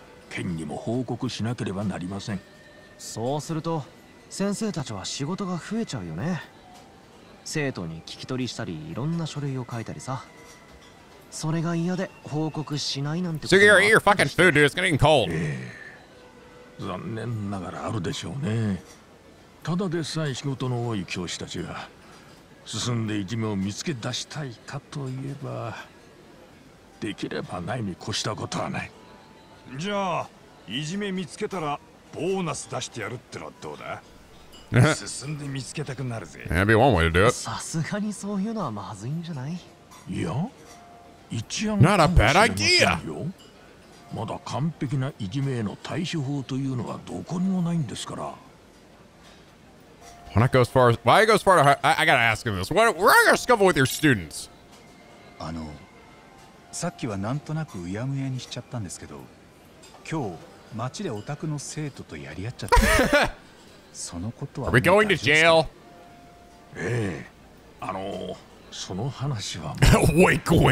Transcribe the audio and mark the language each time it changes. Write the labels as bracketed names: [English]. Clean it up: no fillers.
[Japanese] Ken にも報告しなければなりません。そうすると、先生たちは仕事が増えちゃうよね。生徒に聞き取りしたり、いろんな書類を書いたりさ。それが嫌で報告しないなんて。 [English] So you're eating your fucking food, dude. It's getting cold. [Japanese] 残念ながらあるでしょうね。ただでさえ仕事の多い教師たちが進んでいじめを見つけ出したいかといえば、できればないに越したことはない。じゃあいじめ見つけたらボーナス出してやるってのはどうだ。進んで見つけたくなるぜ。 [English] That'd be one way to do it. [Japanese] さすがにそういうのはまずいんじゃない。いや、一案かもしれませんよ。 [English] Not a bad idea. [Japanese] まだ完璧ないじめへの対処法というのはどこにもないんですから。 [English] When I go as far as, why I go as far to, I gotta ask him this. Where are you gonna scuffle with your students? [Japanese] さっきはなんとなくうやむやにしちゃったんですけど、今日街でオタクの生徒とやり合っちゃった。そのことは。 [English] Are we going to jail? [Japanese] ええ、その話は。 [English] Wink, wink.